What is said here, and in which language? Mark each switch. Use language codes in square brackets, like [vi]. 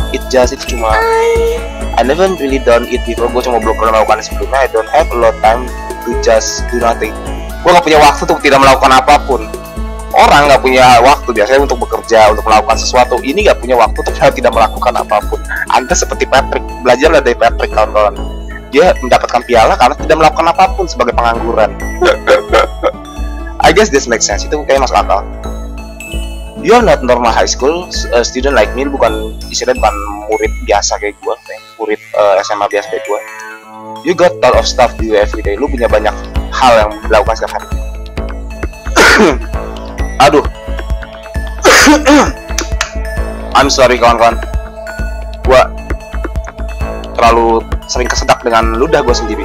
[en] It's [id] cuma [en] I never really done it before. [id] Gue cuma belum pernah melakukan sebelumnya. [en] I don't have a lot of time to just do nothing. [id] Gue nggak punya waktu untuk tidak melakukan apapun. Orang nggak punya waktu biasanya untuk bekerja, untuk melakukan sesuatu. Ini nggak punya waktu untuk tidak melakukan apapun. Anda seperti Patrick. Belajarlah dari Patrick, kawan-kawan. Dia mendapatkan piala karena tidak melakukan apapun sebagai pengangguran. [en] I guess this makes sense. [id] Itu kayaknya masuk akal. [en] You are not normal high school student like me. [id] Bukan istilahnya bukan murid biasa kayak gue, murid SMA biasa kayak gue. [en] You got a lot of stuff to do every day. [id] Lu punya banyak hal yang dilakukan setiap hari. Aduh. [en] I'm sorry [id] kawan-kawan. Gue terlalu sering kesedak dengan ludah gue sendiri.